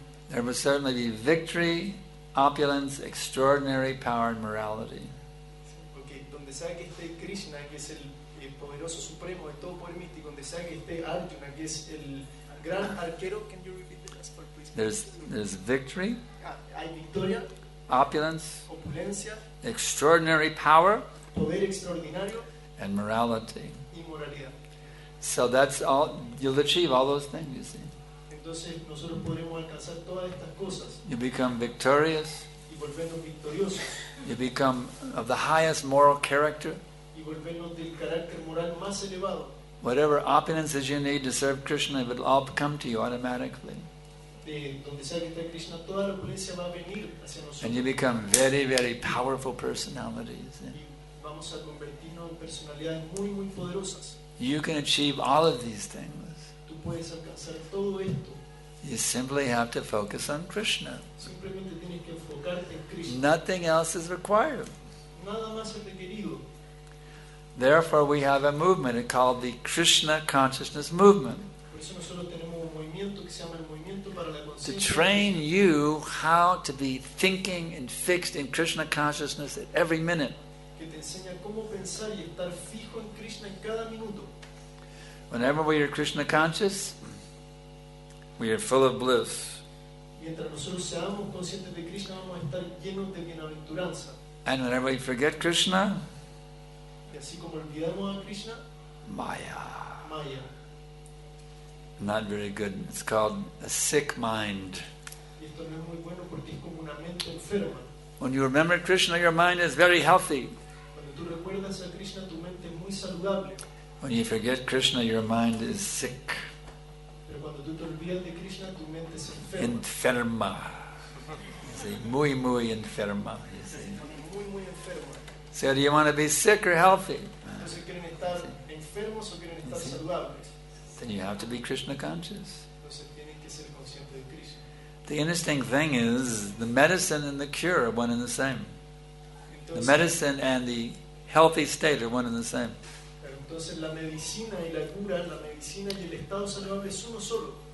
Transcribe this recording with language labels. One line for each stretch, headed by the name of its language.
English: there will certainly be victory, opulence, extraordinary power and morality.
Spanish: Porque donde sea que esté Krishna, que es el poderoso supremo de todo poder místico, donde sea que esté Arjuna, que es el gran arquero.
English: Can you repeat the last part, please? There's victory.
Spanish: Hay victoria.
English: Opulence.
Spanish: Opulencia.
English: Extraordinary power.
Spanish: Poder extraordinario.
English: And morality.
Spanish: Y moralidad.
English: So that's all. You'll achieve all those things, you see.
Spanish: Entonces nosotros podremos alcanzar todas estas cosas.
English: You become victorious.
Spanish: Y volvernos victoriosos.
English: You become of the highest moral character.
Spanish: Y volvernos del carácter moral más elevado.
English: Whatever opulences you need to serve Krishna, it will all come to you automatically.
Spanish: De donde sea que esté Krishna, toda la opulencia va a venir hacia nosotros.
English: And you become very, very powerful personalities.
Spanish: Y vamos a convertirnos en personalidades muy, muy poderosas.
English: You can achieve all of these things.
Spanish: Tú puedes alcanzar todo esto.
English: You simply have to focus on Krishna.
Spanish: Simplemente tienes que enfocarte en Krishna.
English: Nothing else is required.
Spanish: Nada más es requerido.
English: Therefore, we have a movement called the Krishna Consciousness Movement.
Spanish: Por eso nosotros tenemos un movimiento que se llama el movimiento para la conciencia.
English: To train you how to be thinking and fixed in Krishna consciousness at every minute.
Spanish: Enseña cómo pensar y estar fijo en Krishna en cada minuto.
English: Whenever we are Krishna conscious, we are full of bliss.
Spanish: Mientras nosotros seamos conscientes de Krishna, vamos a estar llenos de bienaventuranza.
English: And whenever we forget Krishna,
Spanish: y así como olvidamos a Krishna,
English: Maya.
Spanish: Maya.
English: Not very good. It's called a sick mind.
Spanish: Y esto no es muy bueno porque es como una mente enferma.
English: When you remember Krishna, your mind is very healthy.
Spanish: Tú recuerdas a Krishna, tu mente muy saludable.
English: When you forget Krishna, your mind is sick.
Spanish: Pero cuando tú te olvidas de Krishna, tu mente es enferma. Enferma.
English: You see,
Spanish: muy, muy enferma. You see. Muy, muy enferma.
English: So do you want to be sick or healthy?
Spanish: Entonces, ¿quieren estar enfermos o quieren estar saludables?
English: Then you have to be Krishna conscious.
Spanish: Entonces, tienen que ser conscientes de Krishna.
English: The interesting thing is, the medicine and the cure are one and the same. The medicine and the healthy state are one and the same.
Spanish: Entonces la medicina y la cura, la medicina y el estado saludable es uno solo.